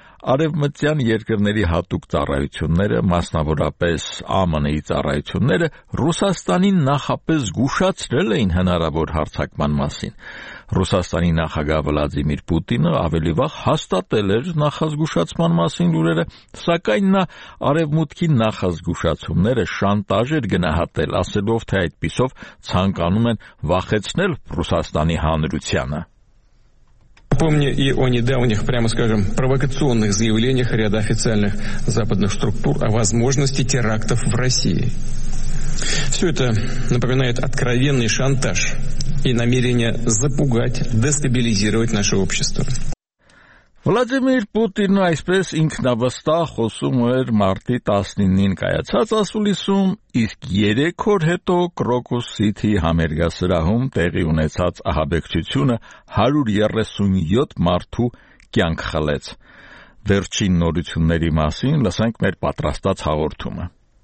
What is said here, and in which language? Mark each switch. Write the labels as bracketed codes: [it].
[hy] արևմտյան երկրների հատուկ ծառայությունները, մասնավորապես ԱՄՆ-ի ծառայությունները, Ռուսաստանին նախապես զգուշացրել էին հնարավոր հարձակման մասին։ Ռուսաստանի նախագահ Վլադիմիր Պուտինը ավելի վաղ հաստատել էր նախազգուշացման մասին լուրերը, սակայն նա արևմուտքի նախազգուշացումները շանտաժ էր գնահատել, ասելով, թե այդպիսով ցանկանում են վախեցնել Ռուսաստանի հանրությանը։ [ru] Помню и о недавних, прямо скажем, провокационных заявлениях ряда официальных западных структур о возможности терактов в России. Все это напоминает откровенный шантаж и намерение запугать, дестабилизировать наше общество. [hy] Վլադիմիր Պուտինը այսպես ինքնավստահ խոսում էր մարտի 19-ին կայացած ասուլիսում, իսկ 3 օր հետո Կրոկուս Սիթի համերգասրահում տեղի ունեցած ահաբեկչությունը 137 մարդու կյանք խլեց։ Վերջին նորությունների մասին լսենք մեր պատրաստած հաղորդումը։